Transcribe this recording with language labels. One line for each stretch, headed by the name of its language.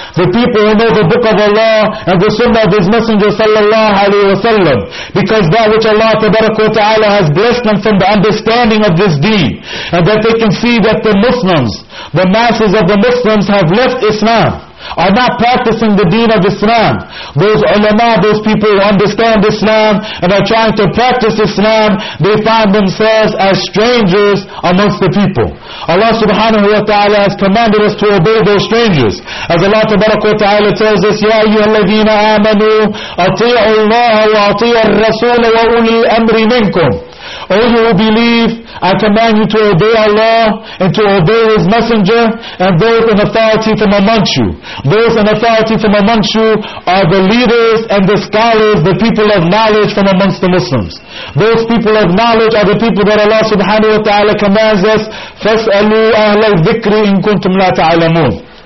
English: The people who know the Book of Allah and the Sunnah of His Messenger sallallahu alayhi wa sallam, because that which Allah tabarak wa ta'ala has blessed them from the understanding of this deen, and that they can see that the Muslims, the masses of the Muslims, have left Islam, are not practicing the deen of Islam. Those ulama, those people who understand Islam and are trying to practice Islam, they find themselves as strangers amongst the people. Allah subhanahu wa ta'ala has commanded us to obey those strangers. As Allah tabarak wa ta'ala tells us,
Arabic: يَا أَيُّهَا الَّذِينَ آمَنُوا أَطِيعُوا اللَّهَ وَأَطِيعُوا الرَّسُولَ وَأُولِي الْأَمْرِ مِنْكُمْ.
English: All who believe, I command you to obey Allah and to obey His Messenger and those in authority from amongst you. Those in authority from amongst you are the leaders and the scholars, the people of knowledge from amongst the Muslims. Those people of knowledge are the people that Allah subhanahu wa ta'ala commands us,
Arabic: فَاسْأَلُوا أَهْلَ الذِّكْرِ إِن كُنْتُمْ لَا تَعْلَمُونَ.